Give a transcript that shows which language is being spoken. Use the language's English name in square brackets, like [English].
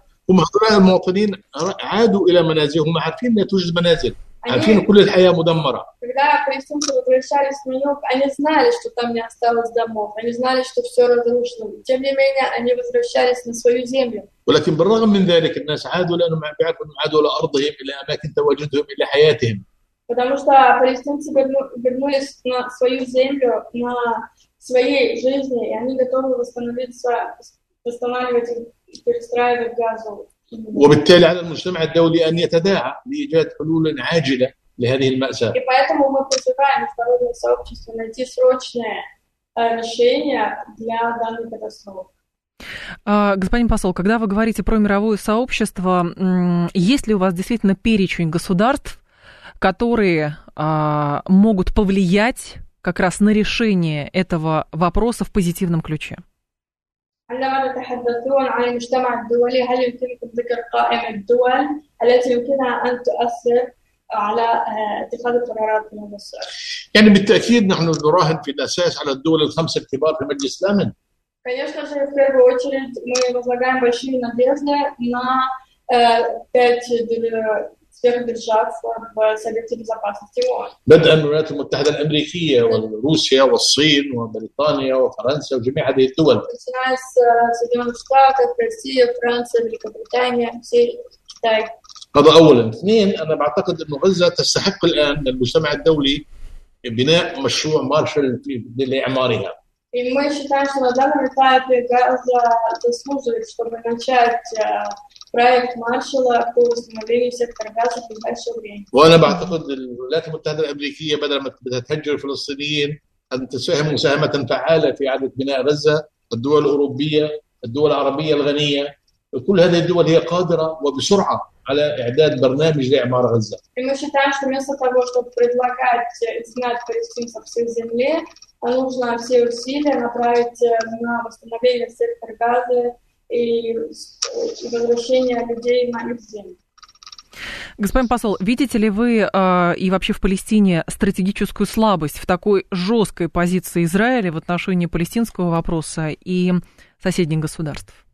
[Arabic] هم هؤلاء المواطنين عادوا إلى منازلهم، هم عارفين لا توجد منازل، عارفين كل الحياة مدمرة. [Russian] Когда палестинцы возвращались на юг, они знали, что там не осталось домов, они знали, что все разрушено. Тем не менее, они возвращались на свою землю. [Arabic] ولكن بالرغم من ذلك الناس عادوا لأنهم بيعرفوا أنهم عادوا لأرضهم إلى أماكن تواجدهم إلى حياتهم. [Russian] Потому что палестинцы вернулись на свою землю, на своей жизни, и они готовы восстанавливать и перестраивать Газу. [Arabic] وبالتالي على المجتمع الدولي أن يتداعى لإيجاد حلول عاجلة لهذه المأساة. [Russian] И поэтому мы призываем международное сообщество найти срочное решение для данной катастрофы. Господин посол, когда вы говорите про мировое сообщество, есть ли у вас действительно перечень государств, которые могут повлиять как раз на решение этого вопроса в позитивном ключе? [Arabic] عندما تتحدثون عن المجتمع الدولي هل يمكنكم ذكر قائمة الدول التي يمكنها أن تؤثر على اتخاذ القرارات في هذا الشأن؟ يعني بالتأكيد نحن نراهن في الأساس على الدول الخمسة الكبار في مجلس الأمن. [Russian] конечно же в первую очередь мы возлагаем большие надежды на пять сверхдержав в Совете Безопасности ООН. [Arabic] بدءا من الولايات المتحدة الأمريكية وروسيا والصين وبريطانيا وفرنسا وجميع هذه الدول. [Russian] начиная с Соединенных Штатов, Россия, Франция, Великобритания, все Китай. [Arabic] هذا أولا. اثنين، أنا أعتقد أن غزة تستحق الآن المجتمع الدولي بناء مشروع مارشال لإعمارها. [Russian] и мы считаем, что на данном этапе Газа заслуживает, чтобы начать проект Маршалла по восстановлению сектора Газа в ближайшее время. [Arabic] وأنا بعتقد الولايات المتحدة الأمريكية بدل ما تهجر الفلسطينيين أن تساهم مساهمة فعالة في إعادة بناء غزة، الدول الأوروبية، الدول العربية الغنية، كل هذه الدول هي قادرة وبسرعة على إعداد برنامج لإعمار غزة. [Russian] и мы считаем, что вместо того, чтобы предлагать изгнать палестинцев со всей земли, нужно все усилия направить на восстановление сектора Газа и возвращение людей на их землю. Господин посол, видите ли вы и вообще в Палестине стратегическую слабость в такой жесткой позиции Израиля в отношении палестинского вопроса и соседних государств?